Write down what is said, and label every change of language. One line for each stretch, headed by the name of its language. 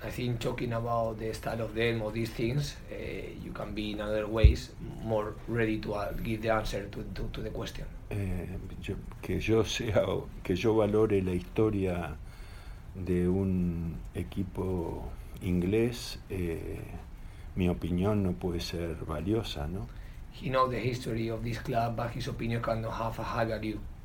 English: I think talking about the style of them or these things, you can be in other ways more ready to give the answer to the question.
Spanish: Que yo valore la historia de un equipo inglés. Mi opinión no puede ser valiosa, ¿no?
English: He knows the history of this club, but his opinion cannot have a high value.